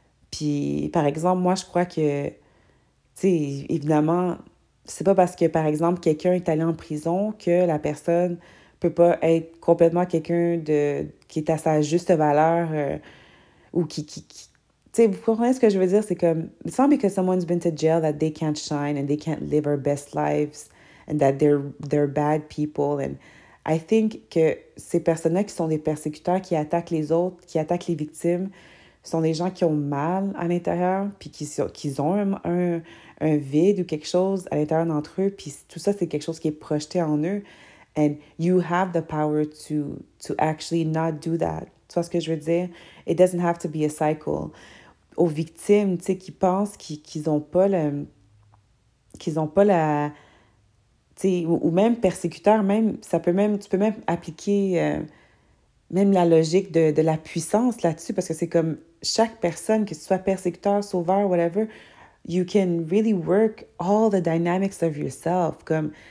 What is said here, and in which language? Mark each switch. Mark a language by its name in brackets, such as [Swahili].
[French] Puis, par exemple, moi, je crois que, tu sais, évidemment, c'est pas parce que, par exemple, quelqu'un est allé en prison que la personne... peut pas être complètement quelqu'un de qui est à sa juste valeur ou qui tu sais, vous comprenez ce que je veux dire? C'est comme, [English] it's not because someone's been to jail that they can't shine and they can't live their best lives and that they're bad people. And I think [French] que ces personnes-là qui sont des persécuteurs, qui attaquent les autres, qui attaquent les victimes, sont des gens qui ont mal à l'intérieur puis qui ont un vide ou quelque chose à l'intérieur d'entre eux, puis tout ça, c'est quelque chose qui est projeté en eux. [English] And you have the power to actually not do that. [French] Tu vois ce que je veux dire? [English] It doesn't have to be a cycle. [French] Aux victimes, tu sais, qui pensent qu'ils n'ont pas la... Tu sais, ou même persécuteurs, même, ça peut même, tu peux même appliquer même la logique de la puissance là-dessus, parce que c'est comme chaque personne, que ce soit persécuteur, sauveur, whatever, [English] you can really work all the dynamics of yourself. [French] Comme...